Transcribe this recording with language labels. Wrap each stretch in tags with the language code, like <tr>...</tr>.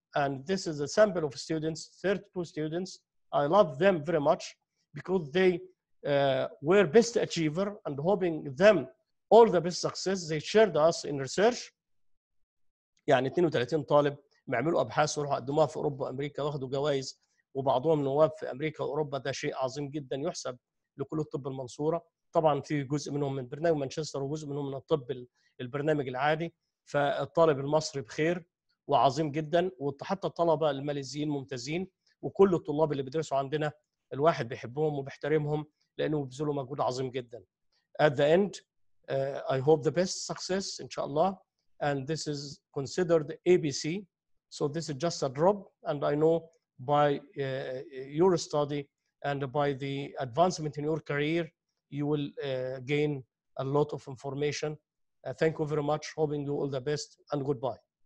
<en>And this is a sample of students, 32 students. I love them very much because they were best achiever, and hoping them all the best success. They shared us in research.</en> <ar>يعني 32 طالب معملوا أبحاث وروحوا قدموها في أوروبا وأمريكا واخدوا جوائز وبعضهم نواب في أمريكا وأوروبا. ده شيء عظيم جدا يحسب لكل الطب المنصورة. طبعا في جزء منهم من برنامج مانشستر وجزء منهم من الطب البرنامج العادي. فالطالب المصري بخير وعظيم جدا، وحتى الطلبة الماليزيين ممتازين، وكل الطلاب اللي بيدرسوا عندنا الواحد بيحبهم وبيحترمهم لأنه بيبذلوا مجهود عظيم جدا.</ar> <en>At the end, I hope the best success إن شاء الله. And this is considered ABC. So this is just a drop, and I know by your study and by the advancement in your career, you will gain a lot of information. Thank you very much. Hoping you all the best and goodbye.</en>